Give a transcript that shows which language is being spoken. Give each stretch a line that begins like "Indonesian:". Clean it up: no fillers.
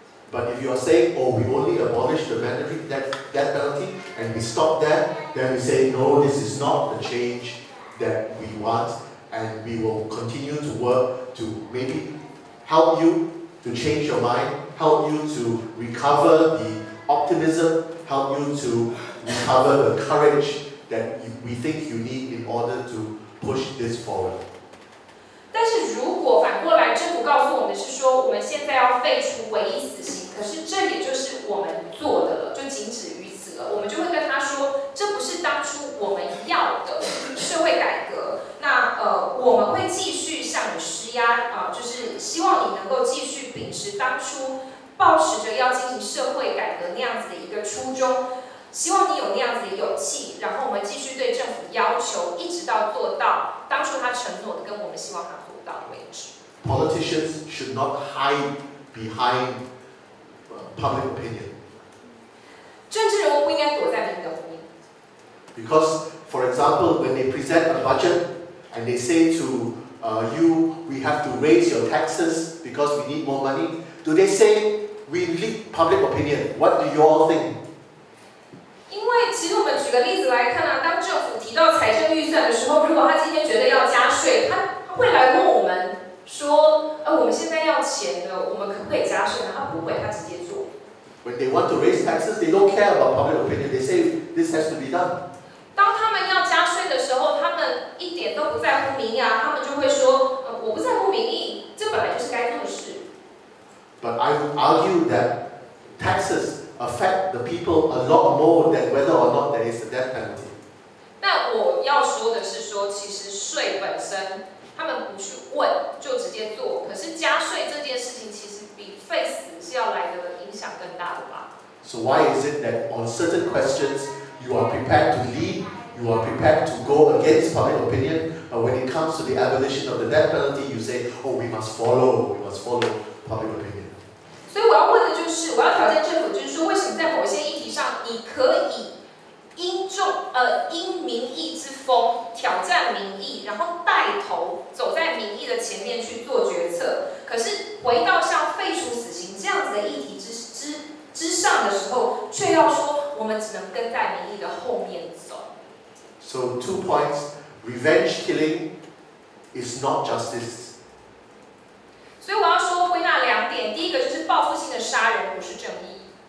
English: But if you are saying, oh, we only abolish the mandatory death penalty and we stop there, then we say, no, this is not the change that we want, and we will continue to work to maybe help you to change your mind, help you to recover the optimism, help you to recover the courage that we think you need in order to push this forward.
Chinese: 但是如果反过来，政府告诉我们是说，我们现在要废除唯一死刑，可是这也就是我们做的了，就仅止于此了。我们就会跟他说，这不是当初我们要的社会改革。那我们会继续向你施压啊，就是希望你能够继续秉持当初抱持着要进行社会改革那样子的一个初衷，希望你有那样子的勇气，然后我们继续对政府要求，一直到做到。当初他承诺的跟我们希望他做到的位置。
English: Politicians should not hide behind public opinion.
Chinese: 政治人物不应该躲在民的后面。
English: Because, for example, when they present a budget and they say to you, we have to raise your taxes because we need more money, do they say we leak public opinion? What do you all think?
Chinese: 因为其实我们举个例子来看啊，当政府提到财政预算的时候，如果他今天觉得要加税，他会来问我们说，我们现在要钱的，我们可不可以加税呢？他不会，他直接做。
English: When they want to raise taxes, they don't care about public opinion. They say this has to be done.
Chinese: 当他们要加税的时候，他们一点都不在乎民意啊，他们就会说，我不在乎民意，这本来就是该做的事。
English: But I would argue that taxes affect the people a lot more than whether or not there is a death penalty.
Chinese: 那我要说的是说，其实税本身，他们不去问就直接做，可是加税这件事情其实比废死是要来的影响更大的吧。
English: So why is it that on certain questions you are prepared to lead, you are prepared to go against public opinion, but when it comes to the abolition of the death penalty, you say, oh, we must follow public opinion.
Chinese: 所以我要问的就是，我要挑战政府，就是说为什么在某些议题上你可以因民意之风挑战民意，然后带头走在民意的前面去做决策。可是回到像废除死刑这样子的议题 之上的时候，却要说我们只能跟在民意的后面走。
English: So two points: revenge killing is not justice.
Chinese: 所以我要说归纳两点，第一个就是报复性的杀人不是正义。